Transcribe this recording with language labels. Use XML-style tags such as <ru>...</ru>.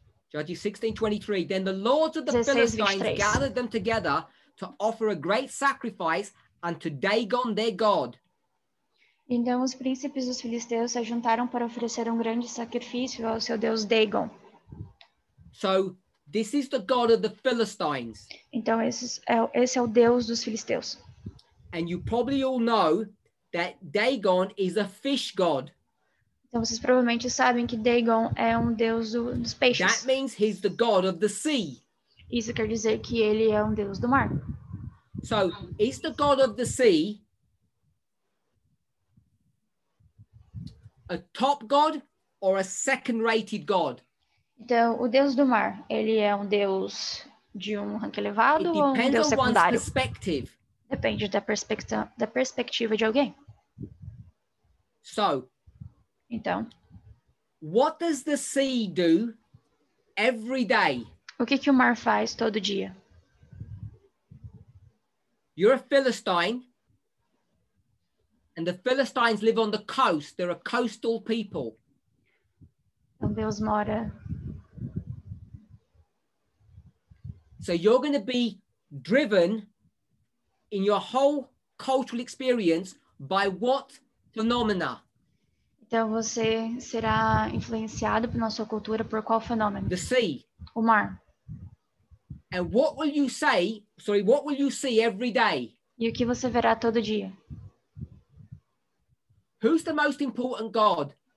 <en>Judges 16:23. Then the lords of the 16, Philistines 23. Gathered them together to offer a great sacrifice unto Dagon their god.</en> <pt>Então os príncipes dos filisteus se juntaram para oferecer um grande sacrifício ao seu deus Dagon.</pt> <en>So this is the god of the Philistines.</en> <pt>Então esse é o deus dos filisteus.</pt> <en>And you probably all know that Dagon is a fish god.</en> <pt>Então vocês provavelmente sabem que Dagon é um deus dos peixes.</pt> <en>That means he's the god of the sea.</en> <pt>Isso quer dizer que ele é um deus do mar.</pt> <en>So, is the god of the sea a top god or a second-rated god?</en> <pt>Então, o deus do mar, ele é um deus de um rank elevado ou um deus secundário?</pt> <en>Perspective.</en> <pt>Depende da perspectiva de alguém.</pt> <en>So,</en> <pt>então,</pt> <en>what does the sea do every day?</en> <pt>O que o mar faz todo dia?</pt> <en>You're a Philistine, and the Philistines live on the coast. They're a coastal people.</en> <pt>Então, Deus mora.</pt> <en>So you're going to be driven in your whole cultural experience by what phenomena?</en> <pt>Então você será influenciado pela sua cultura por qual fenômeno?</pt> <en>The sea.</en> <pt>O mar.</pt> <en>And what will you say? Sorry, what will you see every day?</en> <pt>E o que você verá todo dia?</pt> <en>Who's the most important god?</en>